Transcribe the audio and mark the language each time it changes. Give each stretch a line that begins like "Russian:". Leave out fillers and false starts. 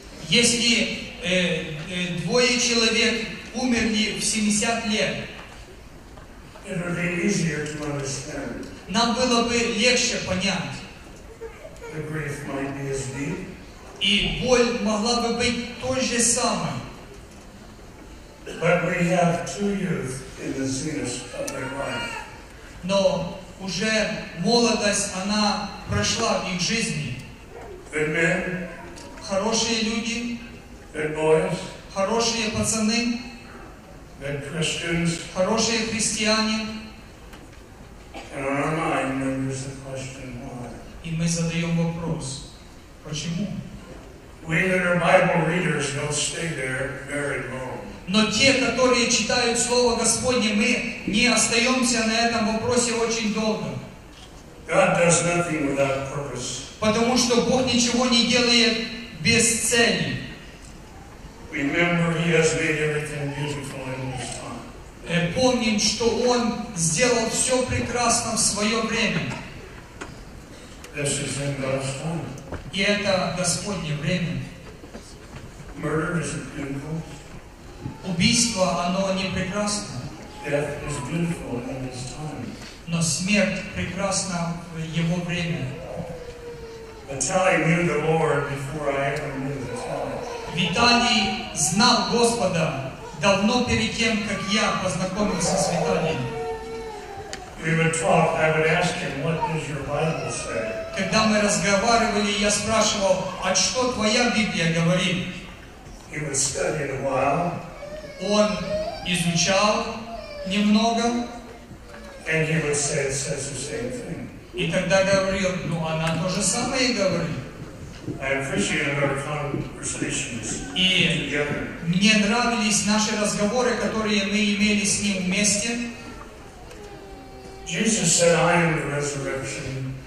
Russian: Если двое человек умерли в 70 лет,
English: it would be easier to understand.
Russian: Нам было бы легче понять.
English: The grief might be as deep.
Russian: И боль могла бы быть той же самой.
English: But we have two youth in the zenith of their life.
Russian: Но уже молодость, она прошла в их жизни.
English: Good men.
Russian: Хорошие люди.
English: Good boys.
Russian: Хорошие пацаны.
English: Good Christians.
Russian: Хорошие христиане.
English: And on our mind, there's the question why.
Russian: И мы задаем вопрос, почему?
English: We that are Bible readers don't stay there very long.
Russian: Но те, которые читают Слово Господне, мы не остаемся на этом вопросе очень долго.
English: God does nothing without purpose.
Russian: Потому что Бог ничего не делает без цели.
English: Remember, He has made everything beautiful in His time.
Russian: Помним, что Он сделал все прекрасно в свое время.
English: This is in God's time.
Russian: И это Господне время.
English: Murder is a beautiful.
Russian: Убийство, оно не прекрасно.
English: Death is beautiful in His time.
Russian: Но смерть прекрасна в Его время.
English: Vitaly knew the Lord before I ever knew Vitaly.
Russian: Виталий знал Господа давно перед тем, как я познакомился с Виталием.
English: We would talk, I would ask him, what does your Bible say?
Russian: Когда мы разговаривали, я спрашивал, а что твоя Библия говорит?
English: He would study it a while.
Russian: Он изучал немного.
English: And he would say, it says the same thing.
Russian: И тогда говорил, ну она то же самое и говорит.
English: I appreciated our conversations
Russian: и
English: together.
Russian: Мне нравились наши разговоры, которые мы имели с ним вместе.
English: Jesus said, I am the resurrection.